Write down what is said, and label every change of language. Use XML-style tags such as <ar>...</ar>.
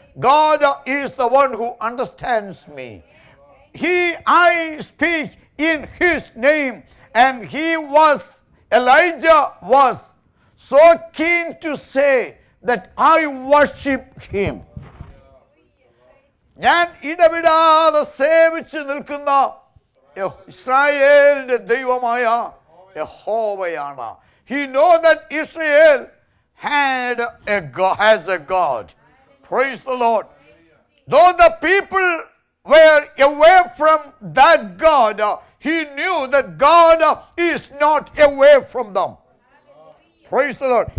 <en>God is the one who understands me. I speak in his name. And Elijah was so keen to say that I worship him.</en> <ml>ഞാൻ ഇടവിടാതെ സേവിച്ച് നിൽക്കുന്ന ഇസ്രായേലിന്റെ ദൈവമായ യഹോവയാണ്.</ml> <en>He know that Israel has a God. Praise the Lord. Though the people were away from that God, he knew that God is not away from them. Praise the Lord.</en>